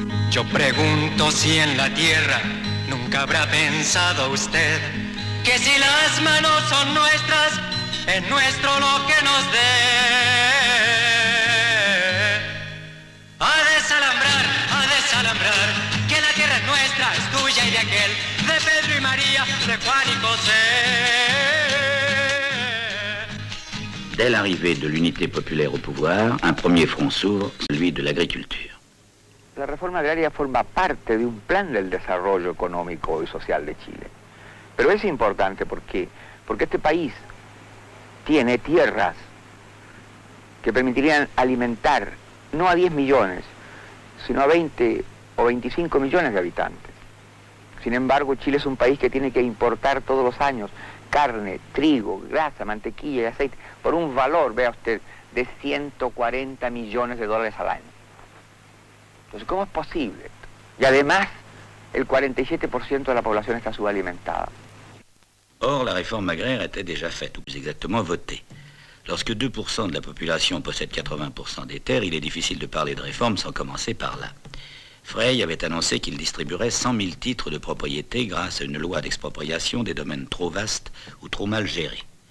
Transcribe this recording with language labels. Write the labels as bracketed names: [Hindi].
[Spanish] Yo pregunto si en la tierra nunca habrá pensado usted que si las manos son nuestras, es nuestro lo que nos dé. A desalambrar, que la tierra es nuestra, es tuya y de aquel, de Pedro y María, de Juan y José. [French] Dès l'arrivée de l'unité populaire au pouvoir, un premier front s'ouvre, celui de l'agriculture. [Spanish] La réforme agraria forma parte de un plan del desarrollo económico y social de Chile. Pero es importante porque este país tiene tierras que permitirían alimentar no a 10 millones, sino a 20 o 25 millones de habitantes. Sin embargo, Chile es un país que tiene que importar todos los años carne, trigo, grasa, mantequilla y aceite, por un valor, vea usted, de 140 millones de dólares al año. Entonces, ¿cómo es posible? Y además, el 47% de la población está subalimentada. [French] Or, la réforme agraire était déjà faite, ou plus exactement votée. Lorsque 2% de la population possède 80% des terres, il est difficile de parler de réforme sans commencer par là. Frey avait annoncé qu'il distribuerait 100 000 titres de propriété grâce à une loi d'expropriation des domaines trop vastes ou trop mal gérés.